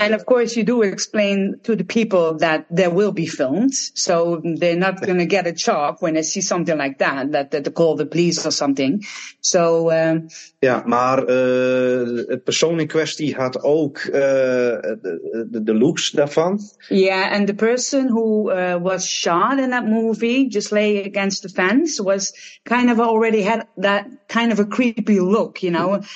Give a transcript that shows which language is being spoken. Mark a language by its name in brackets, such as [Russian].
[English] And of course you do explain to the people that there will be filmed. So they're not going to get a shock when they see something like that. That they call the police or something. So, [Dutch] maar het persoon in kwestie had ook de looks daarvan. [English] Yeah, and the person who was shot in that movie, just lay against the fence, was kind of already had that kind of a creepy look, you know.